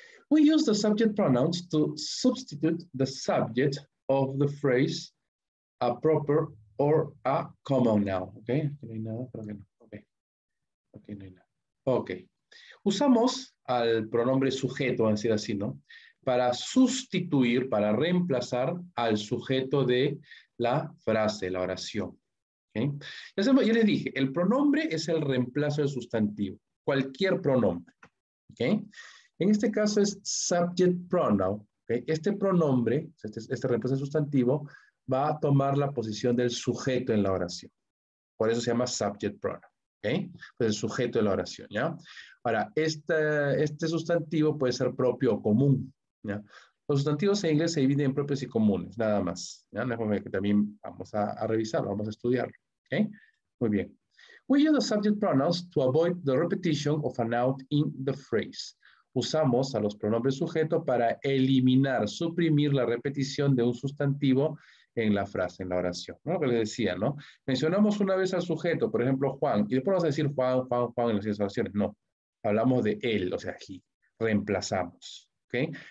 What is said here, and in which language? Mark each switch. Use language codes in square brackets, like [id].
[en] We use the subject pronouns to substitute the subject of the phrase a proper or a common noun. [es] Ok, aquí no hay nada, creo que no. Ok, aquí no hay nada. Ok, usamos al pronombre sujeto, vamos a decir así, ¿no? Para sustituir, para reemplazar al sujeto de la frase, la oración. ¿Okay? Ya les dije, el pronombre es el reemplazo del sustantivo, cualquier pronombre. ¿Okay? En este caso es subject pronoun. ¿Okay? Este pronombre, este reemplazo del sustantivo, va a tomar la posición del sujeto en la oración. Por eso se llama subject pronoun. ¿Okay? Pues el sujeto de la oración, ¿ya? Ahora, este sustantivo puede ser propio o común, ¿ya? Los sustantivos en inglés se dividen en propios y comunes, nada más, ¿ya? Una forma que también vamos a revisar, vamos a estudiar, ¿okay? Muy bien. [en] We use the subject pronouns to avoid the repetition of a noun in the phrase. [es] Usamos a los pronombres sujeto para eliminar, suprimir la repetición de un sustantivo en la frase, en la oración, ¿no? Lo que les decía, ¿no? Mencionamos una vez al sujeto, por ejemplo, Juan, y después vamos a decir Juan, Juan, Juan en las siguientes oraciones. No, hablamos de él, o sea, aquí, reemplazamos, ¿ok?